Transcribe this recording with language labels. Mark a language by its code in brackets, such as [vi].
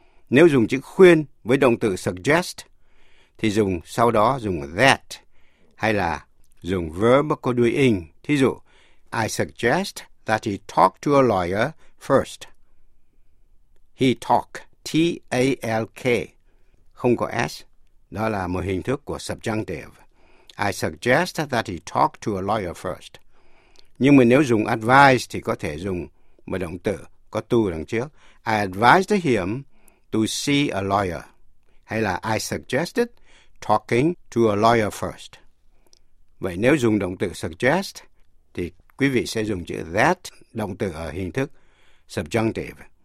[vi] Nếu dùng chữ khuyên với động từ suggest thì dùng sau đó dùng that hay là dùng verb có đuôi ing. Thí dụ, [en] I suggest that he talk to a lawyer first. He talk, T-A-L-K, [vi] không có [en] S. [vi] Đó là một hình thức của subjunctive. [en] I suggest that he talk to a lawyer first. [vi] Nhưng mà nếu dùng advise thì có thể dùng một động từ có to đằng trước. [en] I advised him to see a lawyer. Hay là I suggested talking to a lawyer first. [vi] Vậy nếu dùng động từ suggest, thì quý vị sẽ dùng chữ that, động từ ở hình thức subjunctive.